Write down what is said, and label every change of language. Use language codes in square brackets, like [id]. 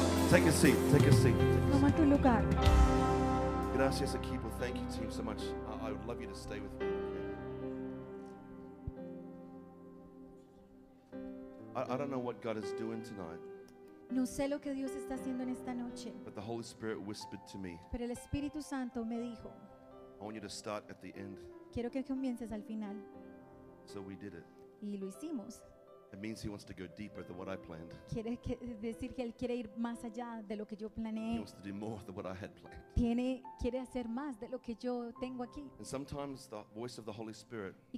[en] Take a seat. [es] Toma tu lugar. Gracias, equipo. [en] Thank you, team, so much. I would love you to stay with me. I don't know what God is doing tonight. [es] No sé lo que Dios está haciendo en esta noche. [en] But the Holy Spirit whispered to me. [es] Pero el Espíritu Santo me dijo. [en] I want you to start at the end. [es] Quiero que comiences al final. [en] So we did it. [es] Y lo hicimos. [en] It means he wants to go deeper than what I planned. [es] Quiere decir que él quiere ir más allá de lo que yo planeé. [en] He wants to do more than what I had planned. [es] Tiene, quiere hacer más de lo que yo tengo aquí. [en] And sometimes the voice of the Holy Spirit